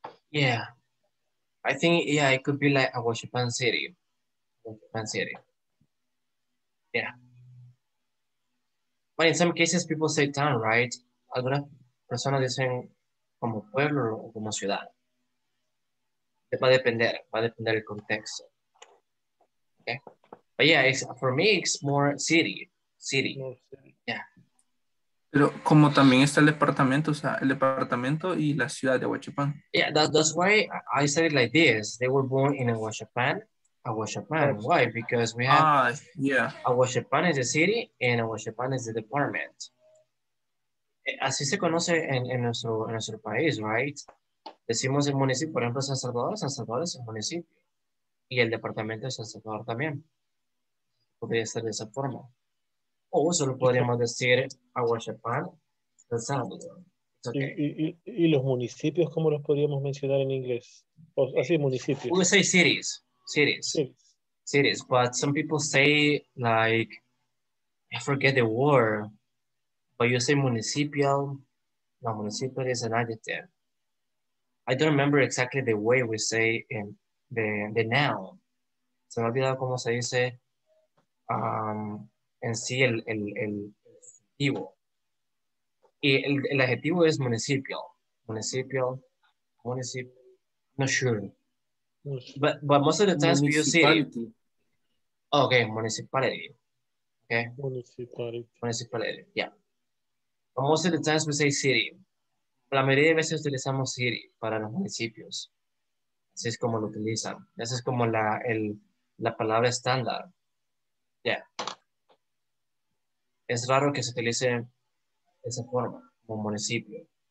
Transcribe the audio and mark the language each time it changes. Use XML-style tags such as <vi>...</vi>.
<en>Yeah, I think, yeah, it could be like Ahuachapán City. Ahuachapán City. Yeah. But in some cases, people say town, right?</en> <es>Algunas personas dicen como pueblo o como ciudad. Va a depender el contexto. Okay.</es> <en>But yeah, for me, it's more city. City. Yeah.</en> <es>Pero como también está el departamento, o sea, el departamento y la ciudad de Ahuachapán.</es> <en>Yeah, that's why I said it like this. They were born in Ahuachapán. Why? Because we have Ahuachapán is the city and Ahuachapán is the department.</en> <es>Así se conoce en nuestro país,</es> <en>right?</en> <es>Decimos el municipio, por ejemplo, San Salvador es el municipio. Y el departamento de San Salvador también. Podría ser de esa forma. O solo podríamos decir Ahuachapán, El Salvador. ¿Y los municipios cómo los podríamos mencionar en inglés? Así, municipios.</es> <en>We say cities. Cities. Sí. Cities. But some people say, like, I forget the word. But you say municipio. No, municipio is an adjective. I don't remember exactly the way we say in the noun.</en> <es>Se me ha olvidado cómo se dice. En sí el adjetivo. Y el adjetivo es municipio. Municipio. Municipio.</es> <en>Not sure. But most of the times you see. Okay, municipality. Okay. Municipality, yeah. But most of the times we say city.</en> <es>La mayoría de veces utilizamos city para los municipios. Así es como lo utilizan. Esa es como la, el, la palabra estándar.</es> <en>Yeah.</en> <es>Es raro que se utilice esa forma, como municipio.</es>